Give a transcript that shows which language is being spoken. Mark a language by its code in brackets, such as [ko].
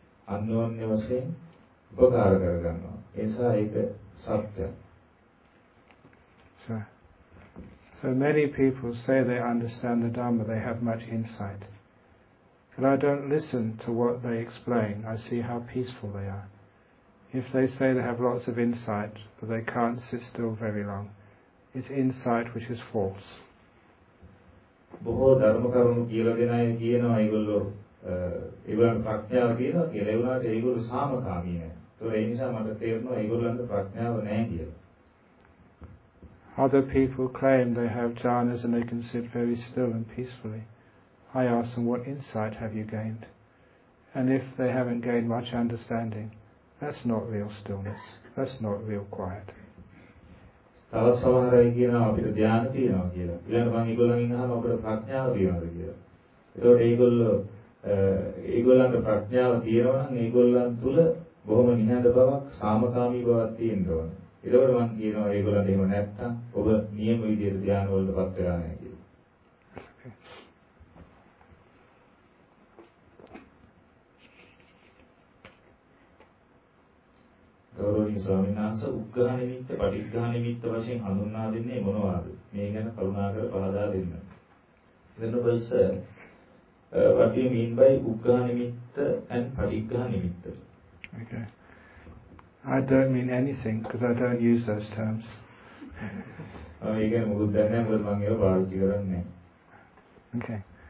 [si] Annyonnya vasen උපකාර කර ගන්නවා. ඒ නිසා ඒක සත්‍යයි. [en] So many people say they understand the Dhamma, they have much insight. But I don't listen to what they explain. I see how peaceful they are. If they say they have lots of insight, but they can't sit still very long, it's insight which is false. [si] බොහෝ ධර්ම කරුණු කියලා දෙන අය කියනවා ඒගොල්ලෝ ඒවන ප්‍රඥාව තියෙනවා කියලා. ඒ වුණාට ඒගොල්ලෝ සාමකාමී නැහැ. ඒ නිසා මට තේරෙනවා ඒගොල්ලන්ට ප්‍රඥාව නැහැ කියලා. [en] Other people claim they have jhanas and they can sit very still and peacefully. I ask them, what insight have you gained? And if they haven't gained much understanding, that's not real stillness. That's not real quiet. [si] තවත් සමහර අය කියනවා අපිට ධ්‍යාන තියෙනවා කියලා. ඊළඟට මම ඒගොල්ලන් ඉන්නහම අපිට ප්‍රඥාව තියෙනවා කියලා. ඒතකොට ඒගොල්ලන්ට ප්‍රඥාව තියෙනවා නම් ඒගොල්ලන් තුළ බොහොම නිහඬ බවක් සාමකාමී බවක් තියෙනවා. එතකොට මම කියනවා ඒගොල්ලන්ට එහෙම නැත්තම් ඔබ නියම විදියට ධ්‍යාන වලට පත් වෙලා නැහැ කියලා. ගෞරවනීය ස්වාමීන් වහන්සේ උග්‍රහණ නිමිත්ත, පටිග්‍රහණ නිමිත්ත වශයෙන් හඳුන්වා දෙන්නේ මොනවාද? මේ ගැන කරුණාකර පහදා දෙන්න. [en] වෙනුවෙන් sir, what do you mean by උග්‍රහණ නිමිත්ත and පටිග්‍රහණ නිමිත්ත? Okay. I don't mean anything because I don't use those terms. Okay.